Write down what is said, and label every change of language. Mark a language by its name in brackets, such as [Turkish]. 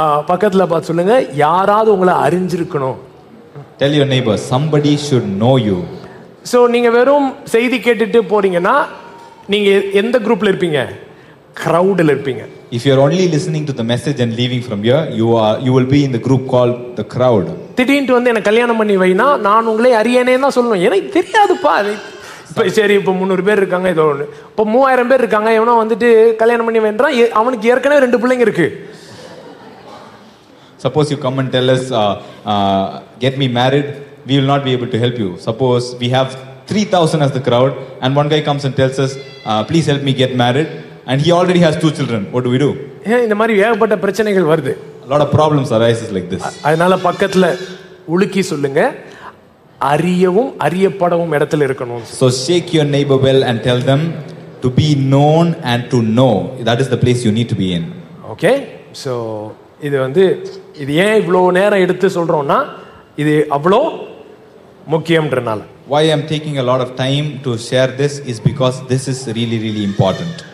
[Tamil] பக்கத்துல பார்த்து சொல்லுங்க, யாராவது உங்களை அறிஞ்சிருக்கணும். [English] Tell your neighbor, somebody should know you. [Tamil] So நீங்க வெறும் செய்தி கேட்டுட்டு போறீங்கன்னா நீங்க எந்த குரூப்ல இருப்பீங்க? கிரவுட்ல இருப்பீங்க. [English] If you are only listening to the message and leaving from here, you will be in the group called the crowd. [Tamil] திடீர்னு வந்து என்ன கல்யாணம் பண்ணி வைனா நான் உங்களை அறியேனேன்னு சொல்லணும். எனக்கு தெரியாதுப்பா. சரி இப்ப 300 பேர் இருக்காங்க, இதோ இப்ப 3000 பேர் இருக்காங்க, இவனோ வந்துட்டு கல்யாணம் பண்ணி வைன்றான், அவனுக்கு ஏற்கனவே ரெண்டு பிள்ளைங்க இருக்கு. [English] Suppose you come and tell us get me married, we will not be able to help you. Suppose we have 3,000 as the crowd and one guy comes and tells us please help me get married and he already has 2 children, what do we do? [Tamil] Yeah, இந்த மாதிரி ஏகப்பட்ட பிரச்சனைகள் வருது. [English] A lot of problems arises like this. [Tamil] அதனால பக்கத்துல உலுக்கி சொல்லுங்க, அறியவும் அறியப்படவும் இடத்துல இருக்கணும். [English] So shake your neighbor well and tell them to be known and to know, that is the place you need to be in. [Tamil] Okay, so இது வந்து இது ஏன் இவ்வளவு நேரம் எடுத்து சொல்றோம்னா இது அவ்வளோ முக்கியம்ன்றனால. [English] Why I'm taking a lot of time to share this is because this is really really important.